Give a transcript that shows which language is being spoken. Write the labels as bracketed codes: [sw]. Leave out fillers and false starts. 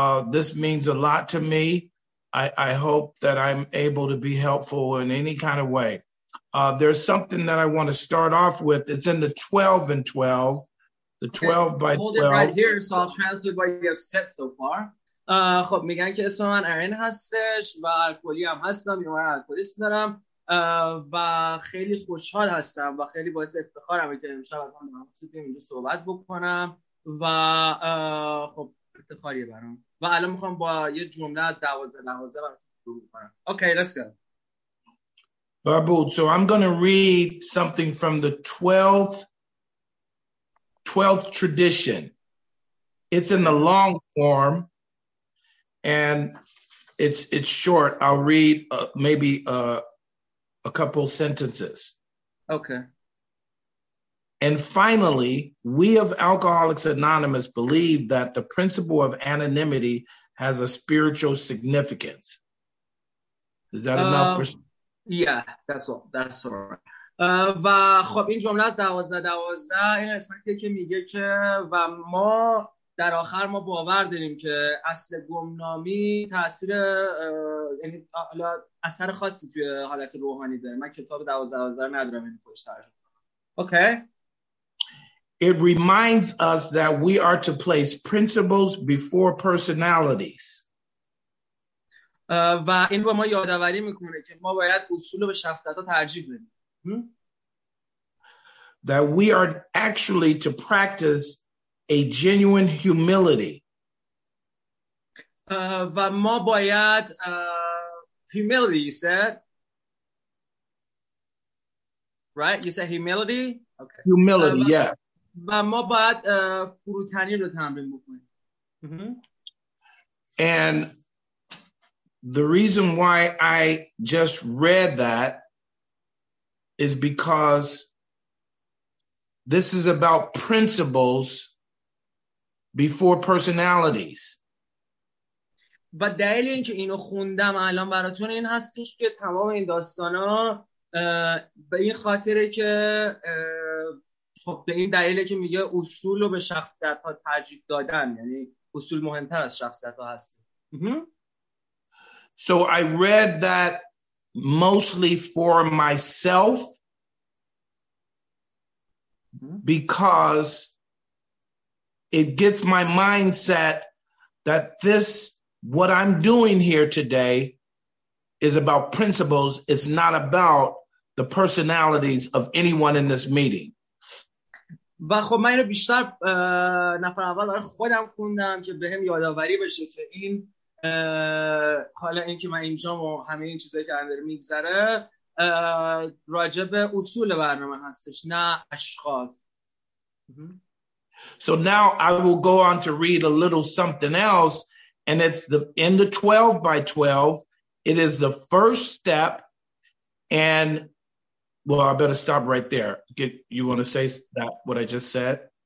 [en] This means a lot to me. I hope that I'm able to be helpful in any kind of way. There's something that I want to start off with. It's in the 12 and 12, the 12 okay. by Hold Hold it right here, so I'll translate what you have said so far. [fa] خب میگن که اسم من ارین هستش و الکلی هم هستم، یه مرد الکلیست دارم و خیلی خوشحال هستم و خیلی باعث افتخارم که امشب از هم دارم اینجا صحبت بکنم و خب افتخاریه برام و الان میخوام با یه جمله از دوازده دوازده برام شروع کنم. [en] Okay, let's go. Barbut, so I'm going to read something from the 12th tradition. It's in the long form. And it's short. I'll read maybe a couple sentences. Okay. And finally, we of Alcoholics Anonymous believe that the principle of anonymity has a spiritual significance. Is that enough for? Yeah, that's all right. [fa] و خب این جمله از دوازده دوازده این قسمتیه که میگه که و ما در آخر ما باور داریم که اصل گمنامی تأثیر یعنی اثر خاصی توی حالت روحانی داره. من کتاب 12 رو ندارم این پشتر. [en] Okay. It reminds us that we are to place principles before personalities. [fa] و این با ما یادآوری میکنه که ما باید اصول رو به شخصیت‌ها ترجیح بدیم. [en] That we are actually to practice a genuine humility. [fa] و ما باید [en] humility, you said? Right? You said humility? Okay. Humility, yeah. [fa] و ما باید فروتنی رو تمرین بکنیم. [en] And the reason why I just read that is because this is about principles before personalities. [fa] و دلیل اینکه اینو خوندم الان براتون این هستش که تمام این داستانا به این خاطره که خب به این دلیله که میگه اصول رو به شخصیت ها ترجیح دادن، یعنی اصول مهمتر از شخصیت ها هست. [en] So I read that mostly for myself because it gets my mindset that this, what I'm doing here today, is about principles. It's not about the personalities of anyone in this meeting. [fa] و خب من اینو بیشتر نفر اول داره خودم خوندم که بهم یادآوری بشه که این حالا این که من اینجا و همه این چیزایی که اندر میگذره راجب اصول برنامه هستش نه اشخاص. [en] So now I will go on to read a little something else, and it's the in the 12 by 12. It is the first step, and well, I better stop right there. Get you want to say that what I just said?